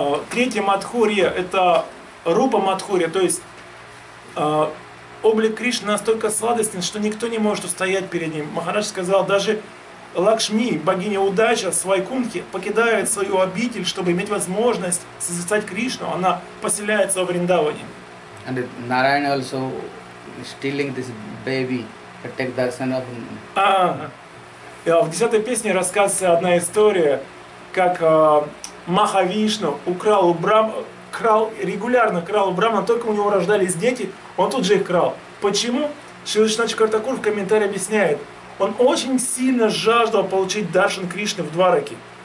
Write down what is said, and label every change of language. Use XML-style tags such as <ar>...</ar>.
<ru>Третья Мадхурья – это Рупа Мадхурья, то есть облик Кришны настолько сладостен, что никто не может устоять перед ним. Махарадж сказал, даже Лакшми, богиня удачи, Свайкунтхи, покидает свою обитель, чтобы иметь возможность созерцать Кришну. Она поселяется в Вриндаване.</ru> <en>And Narayan also stealing this baby to take the son of...</en> <ru>В 10-й песне рассказывается одна история, как Махавишну украл у Брама, крал, регулярно крал у Брама, только у него рождались дети, он тут же их крал. Почему? Шрила Чакратакур в комментарии объясняет. Он очень сильно жаждал получить даршан Кришны в Двараке.</ru>